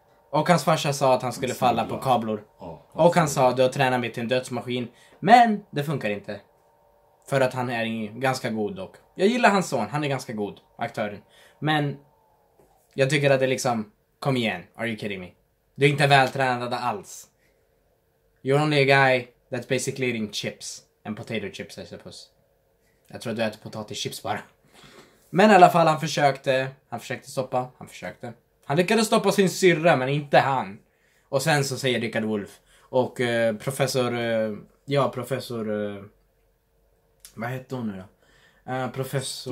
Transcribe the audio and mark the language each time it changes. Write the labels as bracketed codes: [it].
[sv] Och hans farsa sa att han skulle falla på kablor. Och han sa, du har tränat mig till en dödsmaskin. Men det funkar inte. För att han är ganska god dock. Jag gillar hans son, han är ganska god, aktören. Men jag tycker att det liksom, kom igen, [en] are you kidding me? [sv] Du är inte vältränad alls. [en] You're only a guy that's basically eating chips. And potato chips, I suppose. [sv] Jag tror att du äter potatischips bara. Men i alla fall, han försökte. Han försökte stoppa. Han försökte. Han lyckades stoppa sin syrra, men inte han. Och sen så säger Rickard Wolf. Och professor... ja, professor... vad heter hon nu då? Professor...